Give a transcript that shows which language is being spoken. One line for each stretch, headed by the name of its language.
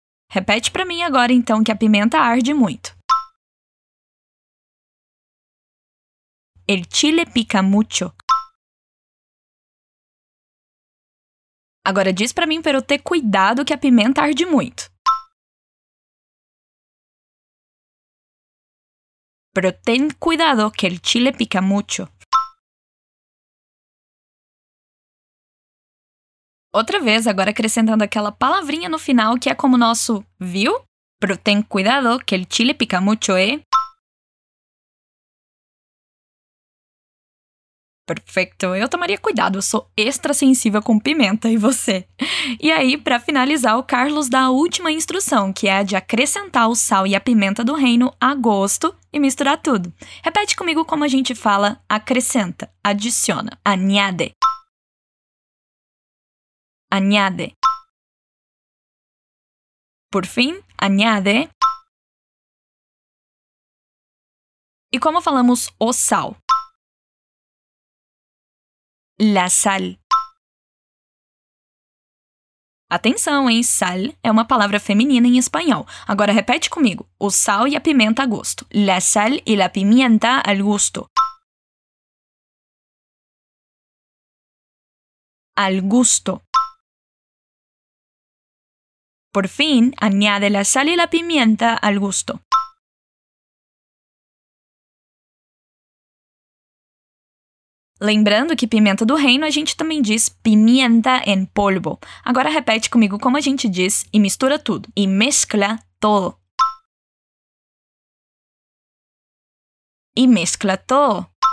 Portuguese: Repete para mim agora, então, que a pimenta arde muito.
Spanish: El chile pica mucho.
Portuguese: Agora diz para mim para eu ter cuidado que a pimenta arde muito.
Spanish: Pero ten cuidado que el chile pica mucho.
Portuguese: Outra vez, agora acrescentando aquela palavrinha no final que é como o nosso viu?
Spanish: Pero ten cuidado que el chile pica mucho, eh?
Portuguese: Perfeito, eu tomaria cuidado, eu sou extra sensível com pimenta, e você? E aí, para finalizar, o Carlos dá a última instrução, que é a de acrescentar o sal e a pimenta do reino a gosto e misturar tudo. Repete comigo como a gente fala acrescenta, adiciona, añade.
Spanish: Añade.
Portuguese: Por fim, añade. E como falamos o sal?
Spanish: La sal.
Portuguese: Atenção, hein? Sal é uma palavra feminina em espanhol. Agora repete comigo. O sal e a pimenta a gosto.
Spanish: La sal y la pimienta al gusto. Al gusto. Por fin, añade la sal y la pimienta al gusto.
Portuguese: Lembrando que pimenta do reino a gente também diz
Spanish: pimienta en polvo.
Portuguese: Agora repete comigo como a gente diz e mistura tudo.
Spanish: E mezcla todo. E mezcla todo.